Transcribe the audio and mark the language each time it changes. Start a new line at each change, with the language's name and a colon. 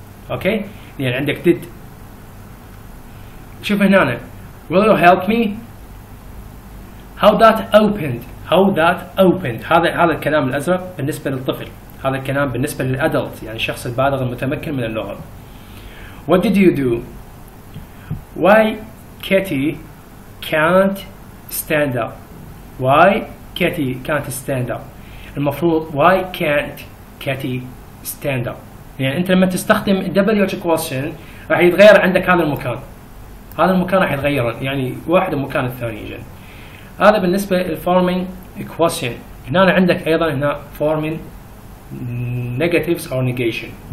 Arabic: اوكي يعني عندك did. شوف هنا
English: will you help me، how that opened،
Arabic: how that opened، هذا الكلام الأزرق بالنسبة للطفل، هذا الكلام بالنسبة للأدلت يعني الشخص البالغ المتمكن من اللغة.
English: what did you do، why Katie can't stand up، why Katie can't stand up،
Arabic: المفروض
English: why can't Katie stand up.
Arabic: يعني أنت لما تستخدم WH question راح يتغير عندك هذا المكان، هذا المكان راح يتغير يعني واحد المكان الثاني جن. هذا بالنسبة للforming question. هنا عندك أيضا هنا
English: forming negatives or negation.